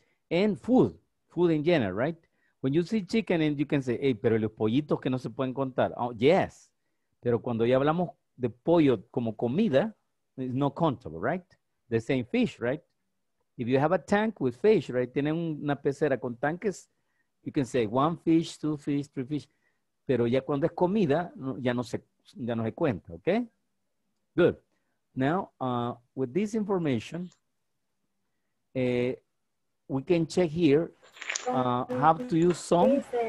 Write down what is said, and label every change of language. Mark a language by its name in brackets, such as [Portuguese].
[English] And food in general, right? When you see chicken and you can say, hey, [Spanish] pero los pollitos que no se pueden contar. [English] Oh, yes, [Spanish] pero cuando ya hablamos de pollo como comida, [English] it's not countable, right? The same fish, right? If you have a tank with fish, right? [Spanish] Tienen una pecera con tanques, [English] you can say one fish, two fish, three fish. [Spanish] Pero ya cuando es comida, ya no se cuenta, okay? [English] Good. Now, with this information, we can check here how to use some.